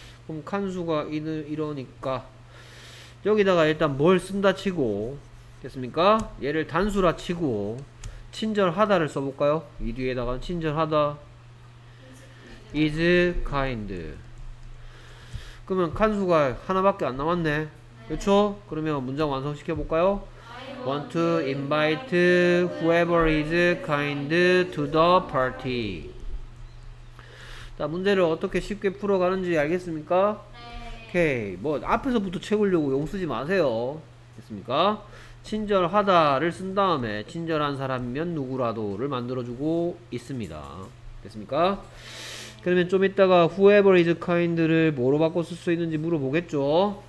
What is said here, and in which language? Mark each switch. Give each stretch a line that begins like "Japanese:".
Korean: 그럼 칸수가 이러니까 여기다가 일단 뭘 쓴다 치고 됐습니까? 얘를 단수라 치고 친절하다를 써볼까요? 이 뒤에다가 친절하다 is kind. 그러면 칸수가 하나밖에 안 남았네. 그렇죠? 그러면 문장 완성시켜볼까요?
English: Want to invite whoever is kind to the party.
Korean: 자, 문제를 어떻게 쉽게 풀어가는지 알겠습니까? 네. 오케이. 뭐 앞에서부터 채우려고 용 쓰지 마세요. 됐습니까? 친절하다를 쓴 다음에 친절한 사람이면 누구라도를 만들어주고 있습니다. 됐습니까? 그러면 좀 이따가
English: whoever is kind
Korean: 를 뭐로 바꿔 쓸 수 있는지 물어보겠죠?